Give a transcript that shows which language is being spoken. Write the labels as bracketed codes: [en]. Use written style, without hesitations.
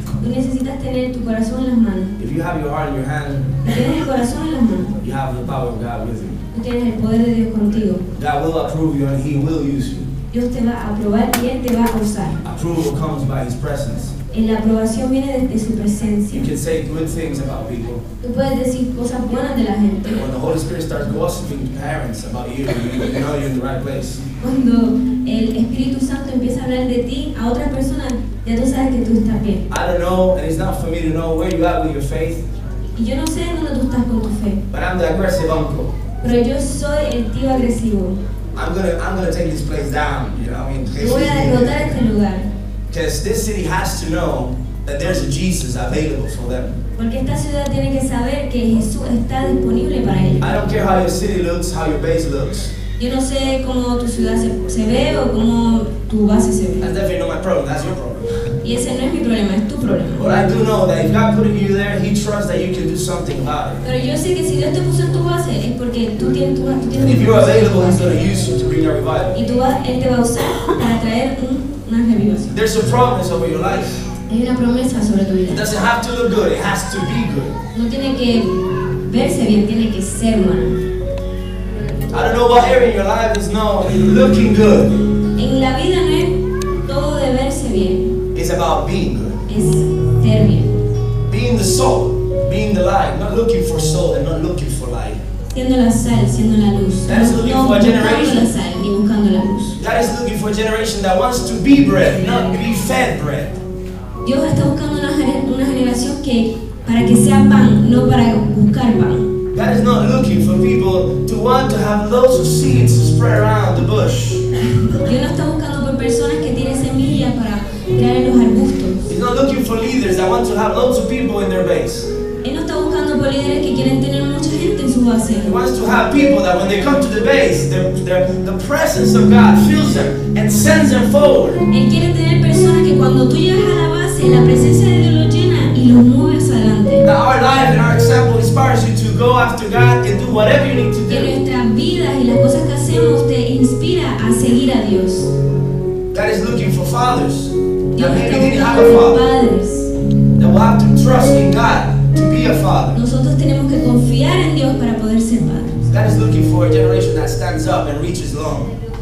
[es] Tú necesitas tener tu corazón en las manos. [en] If you have your heart in your hand, [es] tienes el corazón en las manos. [en] You have the power of God with you. [es] Tú tienes el poder de Dios contigo. [en] God will approve you, and He will use you. [es] Dios te va a aprobar y Él te va a usar. [en] Approval comes by His presence. [es] Y la aprobación viene desde su presencia. [en] You can say good things about people. [es] Tú puedes decir cosas buenas de la gente. [en] When the Holy Spirit starts gossiping to parents about you, you know you're in the right place. [es] Cuando el Espíritu Santo empieza a hablar de ti a otras personas, ya tú sabes que tú estás bien. [en] I don't know, and it's not for me to know where you are with your faith. [es] Y yo no sé en dónde tú estás con tu fe. [en] But I'm the aggressive uncle. [es] Pero yo soy el tío agresivo. [en] I'm gonna take this place down, you know. I mean, [es] voy a derrotar este lugar. [en] Because this city has to know that there's a Jesus available for them. [es] Porque esta ciudad tiene que saber que Jesús está disponible para ellos. [en] I don't care how your city looks, how your base looks. [es] Yo no sé cómo tu ciudad se ve o cómo tu base se ve. [en] That's definitely not my problem. That's your problem. [es] Y ese no es mi problema, es tu problema. [en] But I do know that if God put you there, He trusts that you can do something about it. [es] Pero yo sé que si Dios te puso en tu base es porque tú tienes tu base. [en] And if you're available, He's going to use you to bring a revival. [es] Y tú vas, Él te va a usar para traer una revivación. [en] There's a promise over your life. [es] Hay una promesa sobre tu vida. [en] It doesn't have to look good, it has to be good. [es] No tiene que verse bien, tiene que ser bueno. [en] I don't know what area in your life is no looking good. [es] En la vida no es todo de verse bien. [en] It's about being good. [es] Es ser bien. [en] Being the soul, being the light, not looking for soul and not looking for light. [es] Siendo la sal, siendo la luz. [en] That is looking for a generation. [es] No buscando la sal, ni buscando la luz. [en] That is looking for a generation that wants to be bread, not be fed bread. [es] Dios está buscando una generación que para que sea pan, no para buscar pan. [en] God is not looking for people to want to have loads of seeds to spread around the bush. [es] Dios no está buscando por personas que tienen semillas para crear en los arbustos. [en] He's not looking for leaders that want to have loads of people in their base. [es] Él no está buscando por líderes que quieren tener mucha gente en su base. [en] He wants to have people that when they come to the base, the presence of God fills them and sends them forward. [es] Él quiere tener personas que cuando tú llegas a la base, la presencia de Dios los llena y los mueve hacia adelante. [en] Now our life and our example inspires you to go after God and do whatever you need to do. [es] Que nuestras vidas y las cosas que hacemos te inspira a seguir a Dios. [en] God is looking for fathers. [es] Dios está buscando por padres. [en] That will have to trust in God to be a father. [es] Nosotros tenemos que confiar en Dios para poder ser padres. [en] God is looking for a generation that stands up and reaches long.